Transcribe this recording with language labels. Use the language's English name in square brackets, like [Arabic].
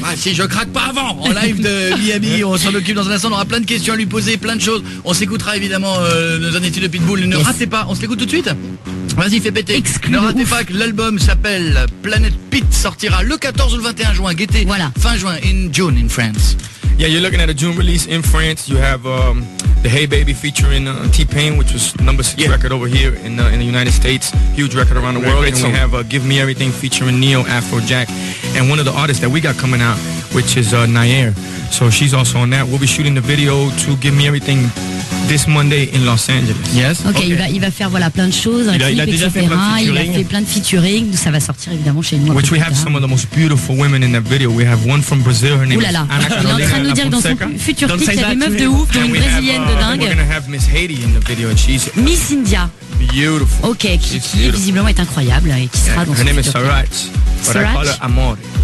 [French] Ah, si je craque pas avant, en live de Miami, on s'en occupe dans un instant. On aura plein de questions à lui poser, plein de choses. On s'écoutera évidemment nos années de Pitbull. Ne ratez pas, on se l'écoute tout de suite. Vas-y, fais péter. Ne ratez pas que l'album s'appelle Planet Pit, sortira le 14 ou le 21 juin. Guettez. Voilà. Fin juin, [English] in June, in France. Yeah, you're looking at a June release in France. You have the Hey Baby featuring T-Pain, which was number six record over here in the United States. Huge record around the world. And we have Give Me Everything featuring Neo Afrojack. And one of the artists that we got coming out, which is Nayer. So she's also on that. We'll be shooting the video to Give Me Everything this Monday in Los Angeles. Yes. [French] Okay, il va faire voilà plein de choses. Il a déjà fait plein de featuring. Ça va sortir évidemment chez nous. [English] Which we have some of the most beautiful women in that video. We have one from Brazil. Her name is Ana Carolina. [French] Il est en train de nous dire dans son futur clip qu'il y a des meufs de ouf, dont une brésilienne de dingue. [English] We're gonna have Miss Haiti in the video, and she's Miss India. Beautiful. [French] Okay, qui visiblement est incroyable et qui sera dans son futur clip. [English] Her name is Sarach, but I call her Amore.